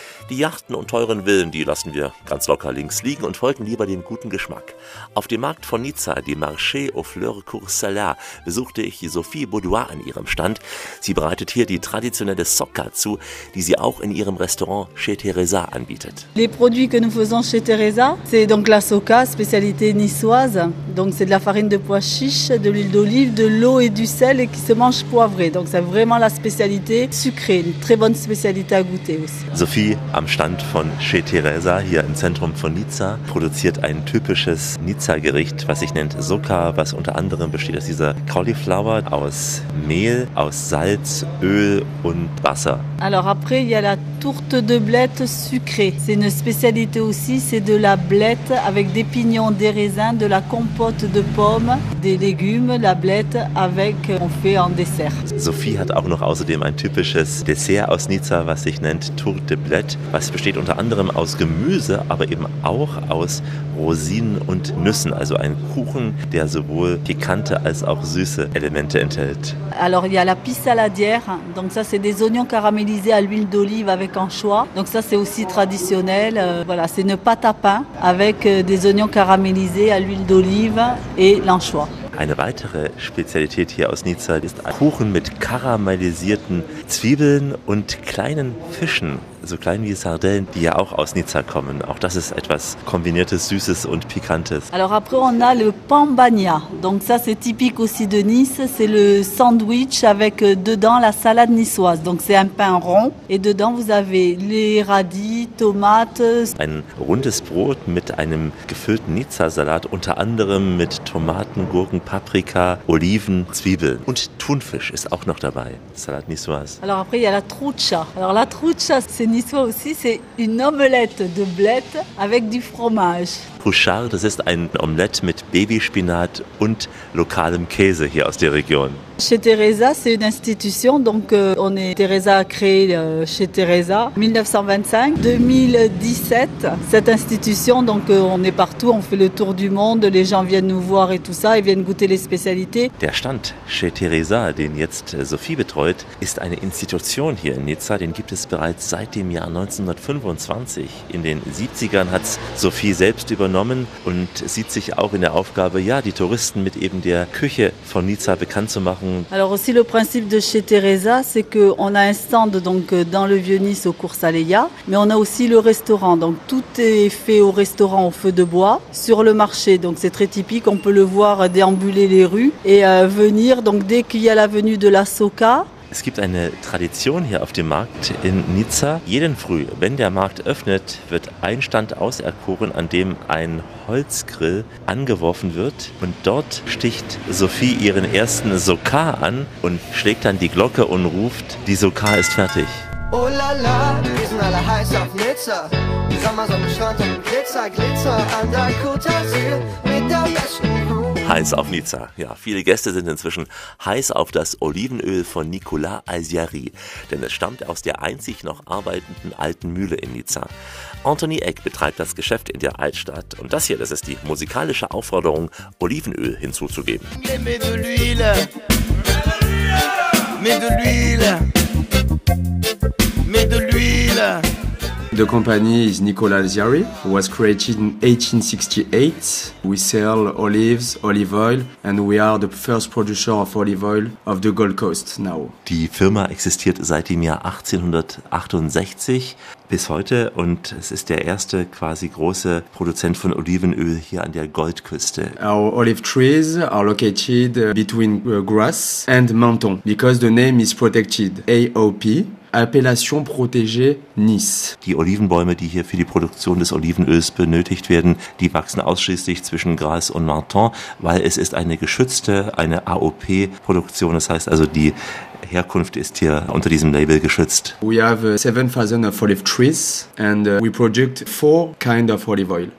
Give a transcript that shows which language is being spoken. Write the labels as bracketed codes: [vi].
[de] Die Yachten und teuren Villen, die lassen wir ganz locker links liegen und folgen lieber dem guten Geschmack. Auf dem Markt von Nizza, die Marché aux Fleurs Courcelles, besuchte ich Sophie Boudoir an ihrem Stand. Sie bereitet hier die traditionelle Socca zu, die sie auch in ihrem Restaurant chez Teresa anbietet. [fr] Les produits que nous faisons chez Teresa, c'est donc la socca, spécialité niçoise. Donc c'est de la farine de pois chiche, de l'huile d'olive, de l'eau et du sel et qui se mange poivré. Donc c'est vraiment la spécialité sucrée, une très bonne spécialité à goûter aussi. [de] Sophie am Stand von Chez Teresa hier im Zentrum von Nizza produziert ein typisches Nizza-Gericht, was sich nennt Socca, was unter anderem besteht aus dieser Cauliflower, aus Mehl, aus Salz, Öl und Wasser. [fr] Alors après, il y a la tourte de blette sucrée. C'est une spécialité aussi, c'est de la blette avec des pignons, des raisins, de la compote de pommes, des légumes, la blette avec, on fait en dessert. [de] Sophie hat auch noch außerdem ein typisches Dessert aus Nizza, was sich nennt Tourte de blette, was besteht unter anderem aus Gemüse, aber eben auch aus Rosinen und Nüssen, also ein Kuchen, der sowohl pikante als auch süße Elemente enthält. [fr] Alors il y a la pissaladière, donc ça c'est des oignons caramélisés à l'huile d'olive avec anchois. Donc ça c'est aussi traditionnel, voilà, c'est une pâte à pain avec des oignons caramélisés à l'huile d'olive et l'anchois. [de] Eine weitere Spezialität hier aus Nizza ist ein Kuchen mit karamellisierten Zwiebeln und kleinen Fischen, so klein wie Sardellen, die ja auch aus Nizza kommen. Auch das ist etwas kombiniertes, süßes und pikantes. [fr] Alors après on a le pan bagna. Donc ça c'est typique aussi de Nice, c'est le sandwich avec dedans la salade niçoise. Donc c'est un pain rond et dedans vous avez les radis, tomates. [de] Ein rundes Brot mit einem gefüllten Nizza-Salat, unter anderem mit Tomaten, Gurken, Paprika, Oliven, Zwiebeln und Thunfisch ist auch noch dabei. [fr] Salade niçoise. Alors après il y a la trucha. Alors la trucha c'est niçois aussi, c'est une omelette de blette avec du fromage. [de] Trouchard, das ist ein Omelette mit Babyspinat und lokalem Käse hier aus der Region. [fr] Chez Teresa, c'est une institution, donc on est Teresa a créé chez Teresa 1925-2017. Cette institution, donc on est partout, on fait le tour du monde, les gens viennent nous voir et tout ça, ils viennent goûter les spécialités. [de] Der Stand chez Teresa, den jetzt Sophie betreut, ist eine Institution hier in Nizza, den gibt es bereits seit dem Jahr 1925. In den 70ern hat Sophie selbst übernommen und sieht sich auch in der Aufgabe, ja, die Touristen mit eben der Küche von Nizza bekannt zu machen. [fr] Alors aussi le principe de chez Teresa, c'est qu'on a un stand donc dans le Vieux-Nice au cours Saleya, mais on a aussi le restaurant. Donc tout est fait au restaurant au feu de bois, sur le marché. Donc c'est très typique, on peut le voir déambuler les rues et venir. Donc dès qu'il y a la venue de la Soca. [de] Es gibt eine Tradition hier auf dem Markt in Nizza. Jeden Früh, wenn der Markt öffnet, wird ein Stand auserkoren, an dem ein Holzgrill angeworfen wird. Und dort sticht Sophie ihren ersten Soka an und schlägt dann die Glocke und ruft, die Soka ist fertig. Oh la la, wir sind alle heiß auf Nizza. Sommer, Sonne, Strand und Glitzer, Glitzer an der Côte d'Azur mit der besten. Heiß auf Nizza. Ja, viele Gäste sind inzwischen heiß auf das Olivenöl von Nicolas Alziari, denn es stammt aus der einzig noch arbeitenden alten Mühle in Nizza. Anthony Eck betreibt das Geschäft in der Altstadt und das hier, das ist die musikalische Aufforderung, Olivenöl hinzuzugeben. [fr] Mais de l'huile. Mais de l'huile. Mais de l'huile. [en] The company is Nicolas Alziari, was created in 1868. We sell olives, olive oil, and we are the first producer of olive oil of the Gold Coast now. [de] Die Firma existiert seit dem Jahr 1868 bis heute und es ist der erste quasi große Produzent von Olivenöl hier an der Goldküste. [en] Our olive trees are located between Grasse and Menton because the name is protected, AOP. [fr] Appellation protégée Nice. [de] Die Olivenbäume, die hier für die Produktion des Olivenöls benötigt werden, die wachsen ausschließlich zwischen Grasse und Menton, weil es ist eine geschützte, eine AOP-Produktion. Das heißt also, die Herkunft ist hier unter diesem Label geschützt. [en] We have 7,000 of olive trees and we produce 4 kind of olive oil.